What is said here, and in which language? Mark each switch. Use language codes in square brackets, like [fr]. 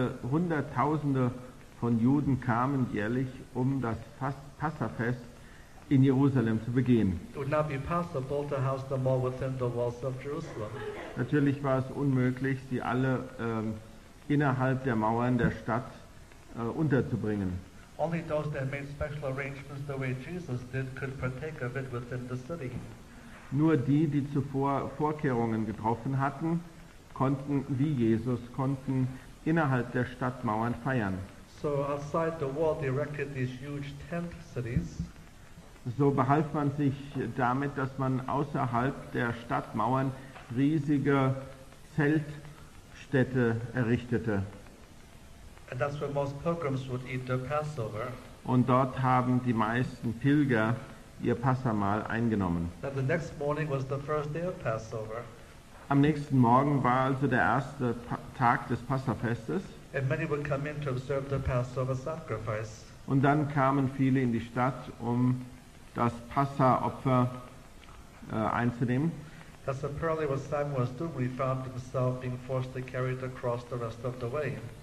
[de] Hunderttausende von Juden kamen jährlich, um das Passafest in Jerusalem zu begehen. [en] It would not be possible to house them all within the walls of Jerusalem. [de] Natürlich war es unmöglich, sie alle innerhalb der Mauern der Stadt unterzubringen. [en] Only those that made special arrangements the way Jesus did could partake of it within the city. [de] Nur die, die zuvor Vorkehrungen getroffen hatten, konnten, wie Jesus, konnten innerhalb der Stadtmauern feiern. [en] So outside the wall they erected these huge tent cities. [de] So behalf man sich damit, dass man außerhalb der Stadtmauern riesige Zeltstädte errichtete. [en] And that's where most pilgrims would eat their Passover. [de] Und dort haben die meisten Pilger ihr Passamahl eingenommen. [en] Now the next morning was the first day of Passover. [de] Am nächsten Morgen war also der erste Tag des Passafestes. [en] And many would come in to observe the Passover sacrifice. [de] Und dann kamen viele in die Stadt, um das Passa-Opfer einzunehmen. [en] That's apparently what Simon was doing when he found himself being forced to carry the cross the rest of the way.